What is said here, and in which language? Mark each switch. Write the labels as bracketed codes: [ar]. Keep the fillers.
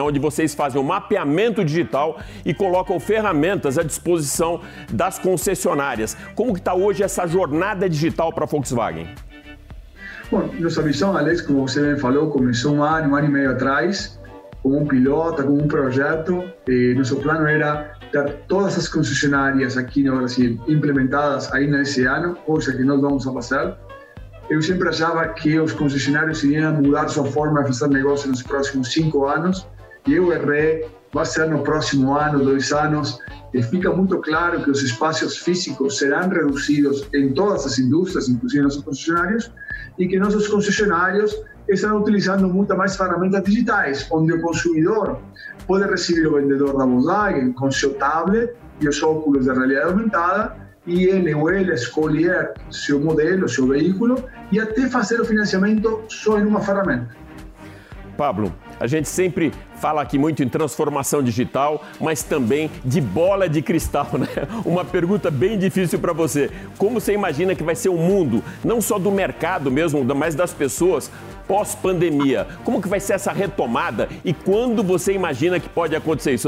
[pt] onde vocês fazem o um mapeamento digital e colocam ferramentas à disposição das concessionárias. Como que está hoje essa jornada digital para a Volkswagen? Bom, nossa missão, Alex, como você falou, começou um ano, um ano e meio atrás. [es] como un piloto, como un proyecto. Eh, nuestro plano era dar todas las concesionarias aquí en Brasil implementadas ahí en ese año, cosa que no vamos a pasar. Yo siempre pensaba que los concesionarios iban a mudar su forma de hacer negocio en los próximos cinco años. Y yo erré. va a ser en el próximo año, dos años. Y eh, fica muy claro que los espacios físicos serán reducidos en todas las industrias, inclusive en los concesionarios, y que nuestros concesionarios están utilizando muchas más herramientas digitales, donde el consumidor puede recibir al vendedor de Volkswagen con su tablet y los óculos de realidad aumentada y él o él escoger su modelo, su vehículo y hasta hacer el financiamiento solo en una herramienta. [pt] Pablo, A gente sempre fala aqui muito em transformação digital, mas também de bola de cristal, né? Uma pergunta bem difícil para você. Como você imagina que vai ser o um mundo, não só do mercado mesmo, mas das pessoas pós pandemia? Como que vai ser essa retomada e quando você imagina que pode acontecer isso?